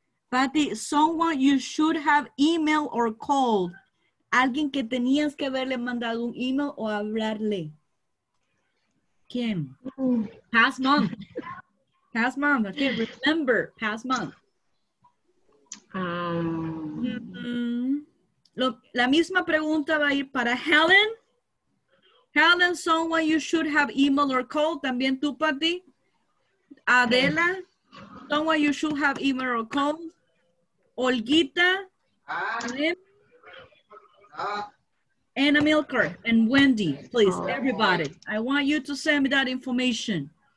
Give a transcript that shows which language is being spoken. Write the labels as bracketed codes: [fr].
[en] Patty, someone you should have emailed or called. [es] Alguien que tenías que haberle mandado un email o hablarle. ¿Quién? [en] Past month. Past month. Okay, remember, past month. [es] Look, la misma pregunta va a ir para Helen. [en] Helen, someone you should have emailed or called. [es] También tú, [en] Patty. Adela, someone you should have emailed or called. Olguita. Anna Milker and Wendy, please, everybody. I want you to send me that information.